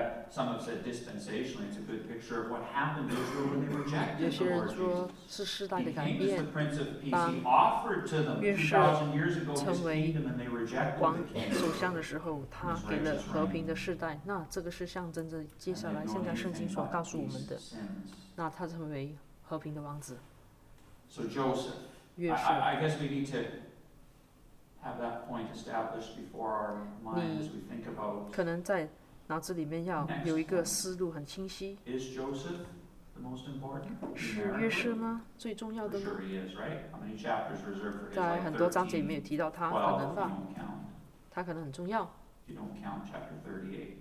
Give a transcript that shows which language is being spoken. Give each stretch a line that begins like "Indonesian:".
English: Some have said dispensationally, it's a good picture of what happened to Israel when they rejected the Lord Jesus. He came as the Prince of Peace. He offered to them 2,000 years ago his kingdom, and they rejected the king.
Chinese: 首相的时候，他给了和平的世代。那这个是象征着接下来现在圣经所告诉我们的。那他成为和平的王子。
English: So Joseph,
Chinese: 约瑟。
English: I guess we need to have that point established before our mind as we think about.
Chinese: 可能在脑子里面要有一个思路很清晰。
English: Is Joseph the most important?
Chinese: 是约瑟吗？最重要的吗？
English: For sure he is, right? How many chapters reserved for his?
Chinese: 在很多章节里面有提到他，可能吧。他可能很重要。
English: You don't count chapter 38.